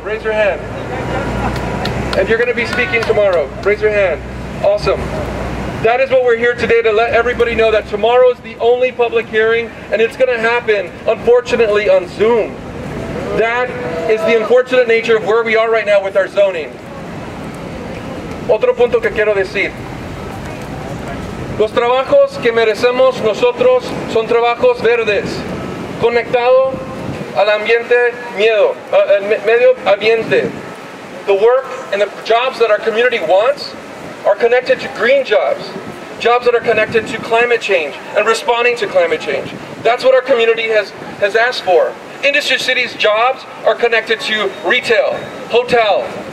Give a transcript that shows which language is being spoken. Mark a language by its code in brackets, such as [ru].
[en] Raise your hand. And you're going to be speaking tomorrow. Raise your hand. Awesome. That is what we're here today to let everybody know, that tomorrow is the only public hearing, and it's going to happen, unfortunately, on Zoom. That is the unfortunate nature of where we are right now with our zoning. [es] Otro punto que quiero decir. Los trabajos que merecemos nosotros son trabajos verdes, conectado al ambiente miedo, al medio ambiente. [en] The work and the jobs that our community wants are connected to green jobs, jobs that are connected to climate change and responding to climate change. That's what our community has asked for. Industry City's jobs are connected to retail, hotel.